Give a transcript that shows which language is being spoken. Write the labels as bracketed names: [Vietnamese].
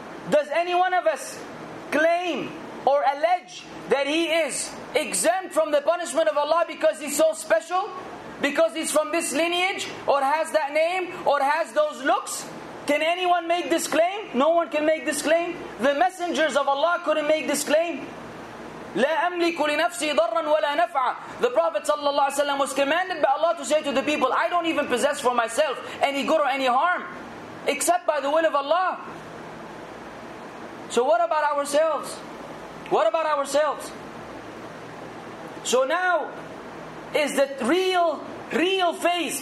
[English] Does any one of us claim or allege that He is exempt from the punishment of Allah because He's so special? Because He's from this lineage, or has that name, or has those looks? Can anyone make this claim? No one can make this claim. The messengers of Allah couldn't make this claim. [Arabic] لا أملك لنفسي ضرا ولا نفعا. [English] The Prophet ﷺ was commanded by Allah to say to the people, I don't even possess for myself any good or any harm, except by the will of Allah. So what about ourselves? What about ourselves? So now is the real phase.